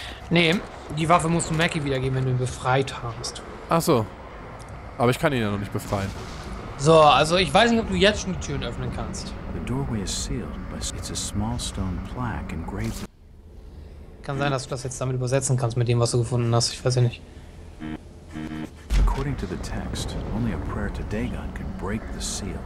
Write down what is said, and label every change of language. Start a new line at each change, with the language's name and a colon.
German: Nee, die Waffe musst du Mackie wiedergeben, wenn du ihn befreit hast. Ach so. Aber ich kann ihn ja noch nicht befreien. So, also ich weiß nicht, ob du jetzt schon die Türen öffnen kannst.
English: The doorway is sealed, but it's a small stone plaque engraved.
German: Kann sein, dass du das jetzt damit übersetzen kannst, mit dem, was du gefunden hast. Ich weiß ja nicht.
English: According to the text, only a prayer to Dagon can break the seal.